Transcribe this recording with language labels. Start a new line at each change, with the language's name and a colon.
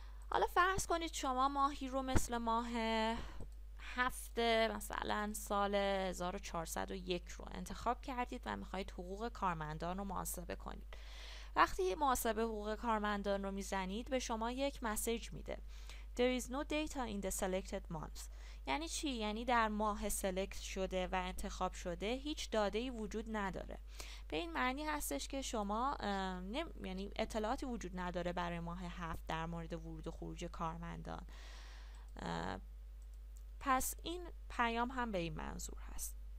Persian: حالا فرض کنید شما ماهی رو مثل ماه هفته مثلا سال 1401 رو انتخاب کردید و میخواید حقوق کارمندان رو محاسبه کنید. وقتی محاسبه حقوق کارمندان رو میزنید به شما یک مسیج میده،
English: There is no data in the selected months.
Persian: یعنی چی؟ یعنی در ماه سلکت شده و انتخاب شده هیچ داده‌ای وجود نداره. به این معنی هستش که شما یعنی اطلاعاتی وجود نداره برای ماه 7 در مورد ورود و خروج کارمندان. پس این پیام هم به این منظور هست.